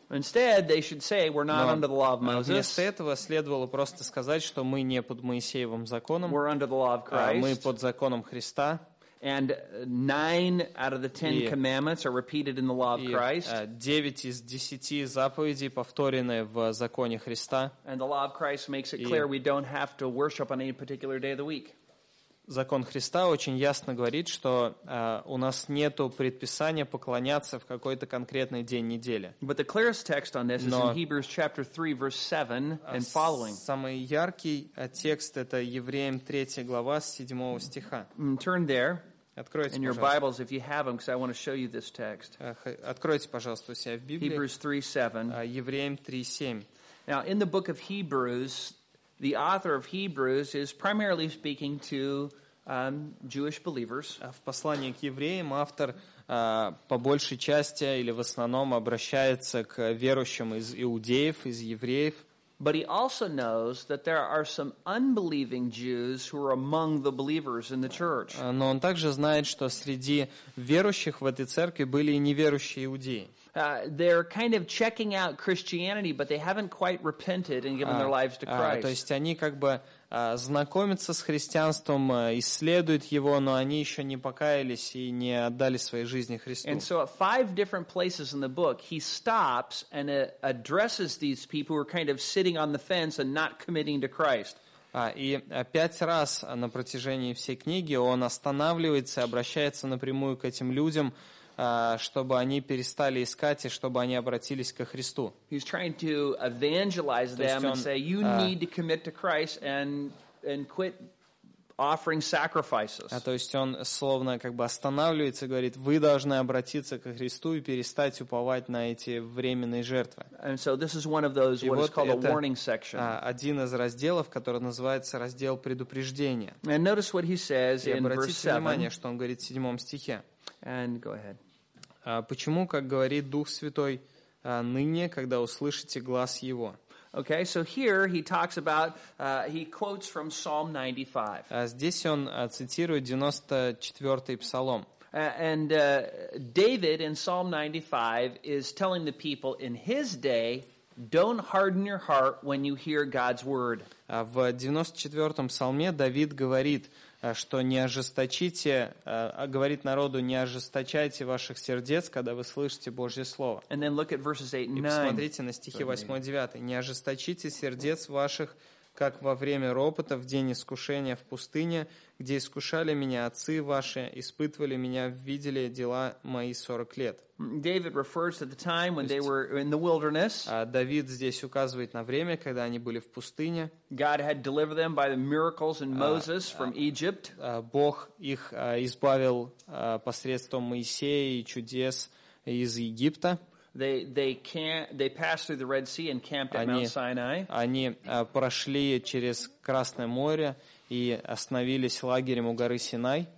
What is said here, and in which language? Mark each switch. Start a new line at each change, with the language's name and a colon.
Russian: Вместо этого следовало просто сказать, что мы не под Моисеевым законом,
English: we're under the law of Christ.
Russian: Мы под законом Христа.
English: And nine out of the ten commandments are repeated in the law of Christ.
Russian: 9 из 10 заповедей повторены в законе Христа.
English: And the law of Christ makes it clear we don't have to worship on any particular day of the week.
Russian: Закон Христа очень ясно говорит, что у нас нету предписания поклоняться в какой-то конкретный день недели.
English: But the clearest text on this is in Hebrews chapter 3, verse 7 and following.
Russian: Самый яркий текст – это Евреям 3 глава с 7 стиха.
English: Turn there.
Russian: Откройте,
English: in your Bibles, if you have them, because I want to show you this text.
Russian: Откройте, пожалуйста, у себя в Библии.
English: Hebrews 3, 7.
Russian: Евреям 3, 7.
English: Now, in the book of Hebrews, the author of Hebrews is primarily speaking to Jewish believers.
Russian: В послании к евреям автор по большей части или в основном обращается к верующим из иудеев, из евреев.
English: But he also knows that there are some unbelieving Jews who are among the believers in the church.
Russian: Но он также знает, что среди верующих в этой церкви были и неверующие иудеи.
English: They're kind of checking out Christianity, but they haven't quite repented and given their lives to Christ.
Russian: То есть они как бы знакомятся с христианством, исследуют его, но они еще не покаялись и не отдали своей жизни Христу.
English: And so at five different places in the book, he stops and addresses these people who are kind of sitting on the fence and not committing to Christ.
Russian: И пять раз на протяжении всей книги он останавливается и обращается напрямую к этим людям, чтобы они перестали искать и чтобы они обратились ко Христу.
English: He's trying to evangelize them and say, you need to commit to Christ and quit offering sacrifices.
Russian: То есть он словно как бы останавливается и говорит, вы должны обратиться ко Христу и перестать уповать на эти временные жертвы.
English: And so this is one of those, what is called a warning section.
Russian: И вот это один из разделов, который называется раздел предупреждения.
English: And notice what he says in verse 7.
Russian: И обратите внимание, что он говорит в 7 стихе.
English: And go ahead.
Russian: Почему, как говорит Дух Святой, ныне, когда услышите глас Его?
English: Okay, so here he talks about, he quotes from Psalm 95.
Russian: Здесь он цитирует 94-й Псалом.
English: And David in Psalm 95 is telling the people in his day, don't harden your heart when you hear God's word.
Russian: В 94-м Псалме Давид говорит, что не ожесточите, говорит народу, не ожесточайте ваших сердец, когда вы слышите Божье Слово.
English: And then look at verses 8 and 9.
Russian: И посмотрите на стихи 8-9. Не ожесточите сердец ваших, как во время ропота, в день искушения в пустыне, где искушали меня отцы ваши, испытывали меня, видели дела мои 40 лет.
English: David refers to the time when they were in the wilderness.
Russian: Давид здесь указывает на время, когда они были в пустыне.
English: God had delivered them by the miracles in Moses from Egypt.
Russian: Бог их избавил посредством Моисея и чудес из Египта.
English: They passed through the Red Sea and camped at Mount Sinai.
Russian: Они прошли через Красное море и остановились лагерем у горы Синай.